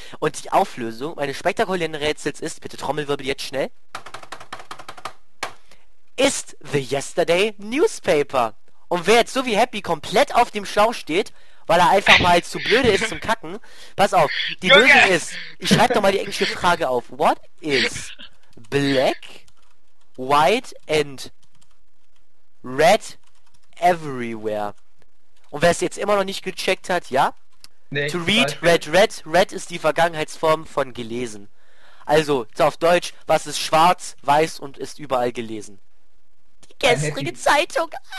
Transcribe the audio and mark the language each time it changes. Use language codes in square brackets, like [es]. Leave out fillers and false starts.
[de] Und die Auflösung meines spektakulären Rätsels ist, bitte Trommelwirbel jetzt schnell, ist [en] The Yesterday Newspaper. [de] Und wer jetzt so wie Happy komplett auf dem Schlauch steht, weil er einfach mal zu blöde ist zum Kacken, pass auf, die Lösung ist, ich schreibe doch mal die englische Frage auf. [en] What is black, white and red everywhere? [de] Und wer es jetzt immer noch nicht gecheckt hat, ja? Nee, [en] to read, red, red. [de] Red ist die Vergangenheitsform von gelesen. Also, auf Deutsch, was ist schwarz, weiß und ist überall gelesen? Die gestrige Zeitung.